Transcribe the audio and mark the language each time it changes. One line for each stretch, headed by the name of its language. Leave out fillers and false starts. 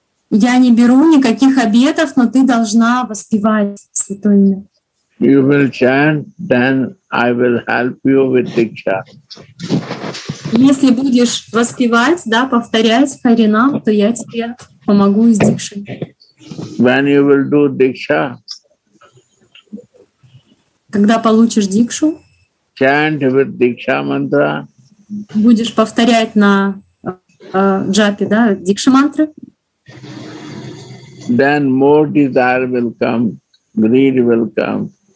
Russian: Я не беру никаких обетов, но ты должна воспевать святое имя.
English: You will chant, then I will help you with diksha.
Russian: Если будешь воспевать, да, повторять харинам, то я тебе помогу с дикшей.
English: When you will do diksha?
Russian: Когда получишь дикшу?
English: Chant with diksha mantra.
Russian: Будешь повторять на джапе, да, дикша мантры?
English: Then more desire will come, greed will come.